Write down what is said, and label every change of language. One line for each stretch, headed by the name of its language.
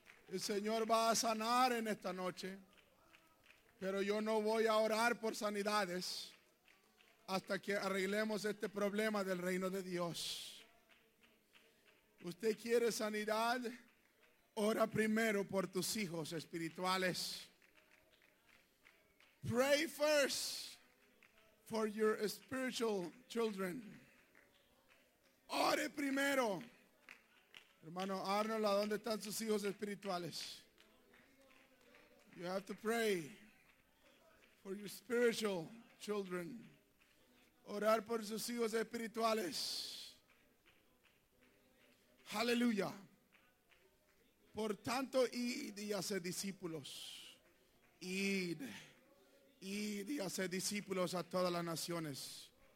Spanish: El Señor va a sanar en esta noche, pero yo no voy a orar por sanidades hasta que arreglemos este problema del reino de Dios. ¿Usted quiere sanidad? Ora primero por tus hijos espirituales.
English: Pray first for your spiritual children.
Spanish: Ore primero. Hermano Arnold, ¿a dónde están sus hijos espirituales?
English: You have to pray for your spiritual children.
Spanish: Orar por sus hijos espirituales. Aleluya. Por tanto, id y hacer discípulos. Id y hacer discípulos a todas las naciones.